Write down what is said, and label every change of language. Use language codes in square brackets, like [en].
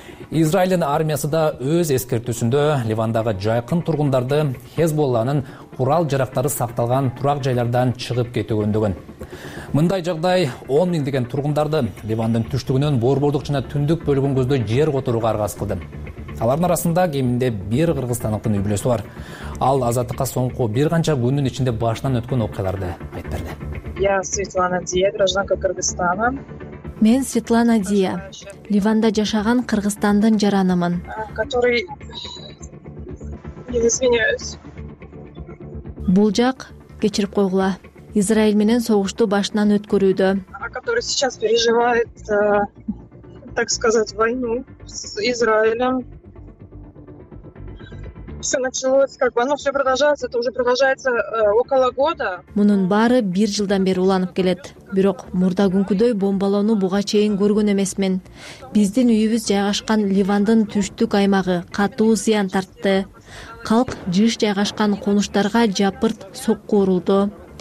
[ky] Израилдин армиясы да өз эскертүүсүндө Ливандагы жайкын тургундарды Хезболланын курал жарактары сакталган турак жайлардан чыгып кетүүгө үндөгөн. Мындай жагдай 10,000 деген тургундарды Ливандын түштүгүнөн борбордук жана түндүк бөлүгүн көздөй жер которууга аргас кылды. Алардын арасында кеминде бир кыргызстандыктын үй бүлөсү бар. Ал азаттыкка соңку бир канча күндүн ичинде башынан өткөн окуяларды айтып берди. [ru] Я Светлана Дия, гражданка Кыргызстана. [ky] Мен Светлана Дия, Ливанда жашаган Кыргызстандын жаранымын. Бул жак, кечирип койгула, Израиль менен согушту башынан өткөрүүдө. [ru] Который сейчас переживает, так сказать, войну с Израилем. Все началось, как бы, оно все продолжается, это уже продолжается около года. [ky] Мунун баары бир жылдан бери уланып келет. Бирок мурда күнкүдөй бомбалоону буга чейин көргөн эмесмин. Биздин үйүбүз жайгашкан Ливандын түштүк аймагы катуу зыян тартты. Калк жыш жайгашкан конуштарга жапырт сокку урулду.